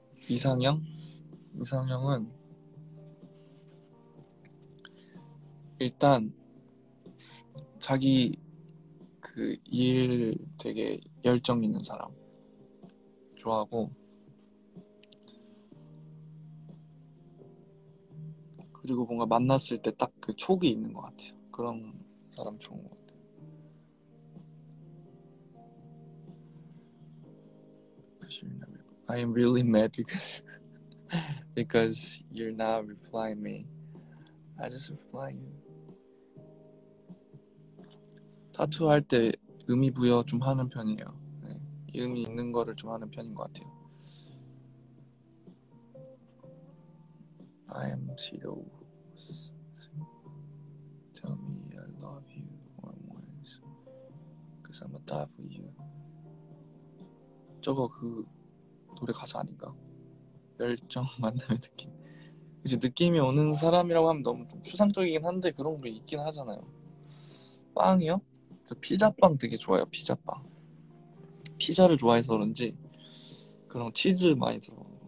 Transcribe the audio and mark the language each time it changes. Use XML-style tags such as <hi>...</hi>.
<ko>이상형? 이상형은 일단 자기 그 일 되게 열정 있는 사람 좋아하고 그리고 뭔가 만났을 때 딱 그 촉이 있는 것 같아요. 그런 사람 좋은 것 같아요.</ko> <en>'Cause I am really mad because because you're not replying me. I just reply you.</en> <ko>타투 할 때 의미 부여 좀 하는 편이에요. 네. 의미 있는 거를 좀 하는 편인 것 같아요.</ko> <en>I am zero. Tell me I love you for once, 'cause I'm a die for you.</en> <ko>저거 그 노래 가사 아닌가? 열정 만남의 느낌. 이제 느낌이 오는 사람이라고 하면 너무 좀 추상적이긴 한데 그런 게 있긴 하잖아요. 빵이요? 저 피자빵 되게 좋아요. 피자빵. 피자를 좋아해서 그런지 그런 치즈 많이 들어.</ko>